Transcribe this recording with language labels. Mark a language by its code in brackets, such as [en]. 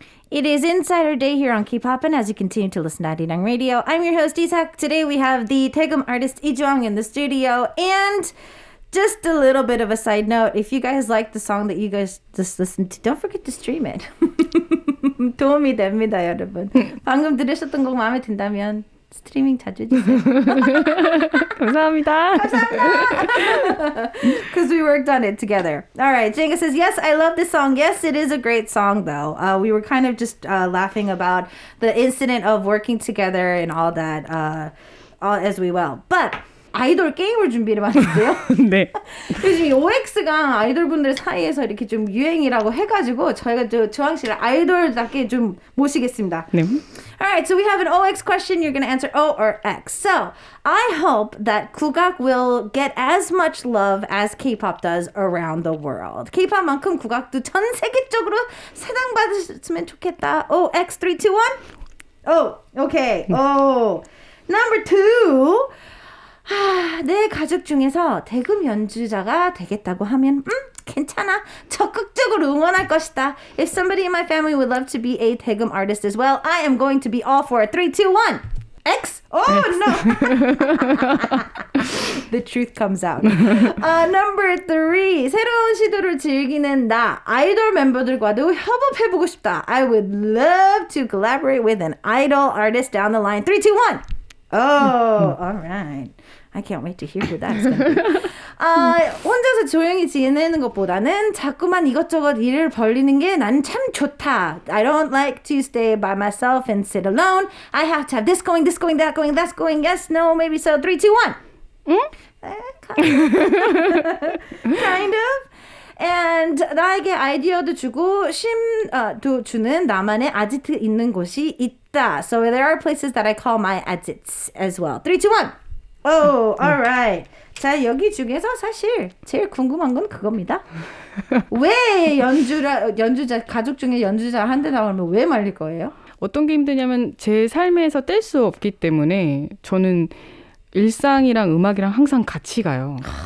[en] It is Insider Day here on K-Pop, and as you continue to listen to Arirang Radio, I'm your host, Isaac. Today we have the Taegum artist, Ijuang, in the studio. And just a little bit of a side note, if you guys like the song that you guys just listened to, don't forget to stream it. [ko] 도움이 됩니다, 여러분. 방금 들으셨던 곡 마음에 든다면 스트리밍 자주 해주세요. 감사합니다. [en] 'Cause we worked on it together. All right, Jenga says, yes, I love this song. Yes, it is a great song, though. We were kind of just laughing about the incident of working together and all that as we well. [ko] But 아이돌 게임을 준비를 하셨대요. 네. 요즘 OX가 아이돌분들 사이에서 이렇게 좀 유행이라고 해가지고 저희가 주황 씨를 아이돌답게 좀 모시겠습니다. 네. [en] All right, so we have an OX question. You're going to answer O or X. So I hope that Kugak will get as much love as K-pop does around the world. [ko] K-pop만큼 국악도 전 세계적으로 사랑받았으면 좋겠다. [en] O, X, 3, 2, 1. O, okay. O. Number two. [ko] 아, 내 가족 중에서 대금 연주자가 되겠다고 하면 괜찮아 적극적으로 응원할 것이다. [en] If somebody in my family would love to be a 대금 artist as well, I am going to be all for it. 3, 2, 1. X? Oh, X. No. The truth comes out. Number three. [ko] 새로운 시도를 즐기는 나. 아이돌 멤버들과도 협업해보고 싶다. [en] I would love to collaborate with an idol artist down the line. 3, 2, 1. Oh, all right. I can't wait to hear what that's going to be. [ko] 혼자서 조용히 지내는 것보다는 자꾸만 이것저것 일을 벌리는 게 난 참 좋다. [en] I don't like to stay by myself and sit alone. I have to have this going, this going, that going, that's going. Yes, no, maybe so. 3, 2, 1. kind of. [ko] And 나에게 아이디어도 주고 심도 주는 나만의 아지트 있는 곳이 있다. [en] So there are places that I call my adits as well. 3, 2, 1. Oh, all right. [ko] 자, 여기 중에서 사실 제일 궁금한 건 그겁니다. 왜 연주자 가족 중에 연주자 한 대 나오면 왜 말릴 거예요? 어떤 게 힘드냐면 제 삶에서 뗄 수 없기 때문에 저는 일상이랑 음악이랑 항상 같이 가요.